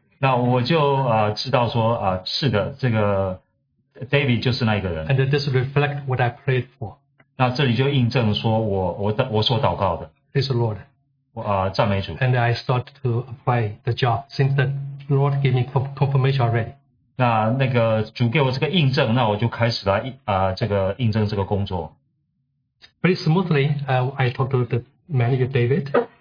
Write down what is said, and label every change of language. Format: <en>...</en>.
<zh>那我就知道说，是的，这个David就是那个人。And</zh> <en>this reflect what I prayed for.</en> <zh>那这里就印证说我所祷告的。Praise</zh> <en>the Lord.</en> <zh>赞美主。</zh> <en>And I start to apply the job since the Lord gave me confirmation already.</en> <zh>那个主给我这个印证，那我就开始来应征这个工作。</zh> <en>Pretty smoothly, I talked to the manager David.</en>